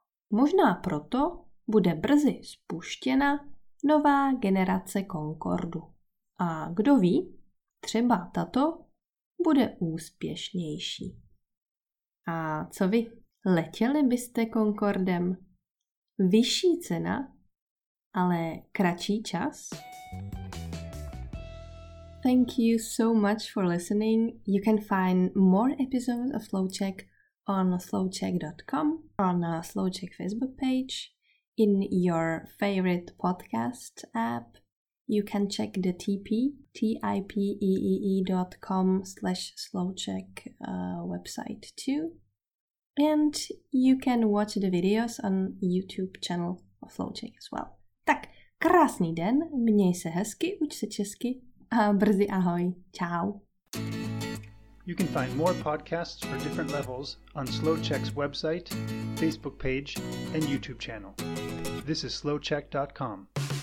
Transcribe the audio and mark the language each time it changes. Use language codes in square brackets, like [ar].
[cs] Možná proto bude brzy spuštěna nová generace Concordu. A kdo ví, třeba tato bude úspěšnější. A co vy, letěli byste Concordem? Vyšší cena, ale kratší čas? [en] Thank you so much for listening. You can find more episodes of Slow Czech on slowcheck.com, on a Slow Czech Facebook page, in your favorite podcast app. You can check the tipeee.com/slowcheck website too. And you can watch the videos on YouTube channel of Slow Czech as well. [cs] Tak, krásný den, měj se hezky, uč se česky. A brzy ahoj. Čau. [en] You can find more podcasts for different levels on Slow Czech's website, Facebook page, and YouTube channel. This is slowcheck.com.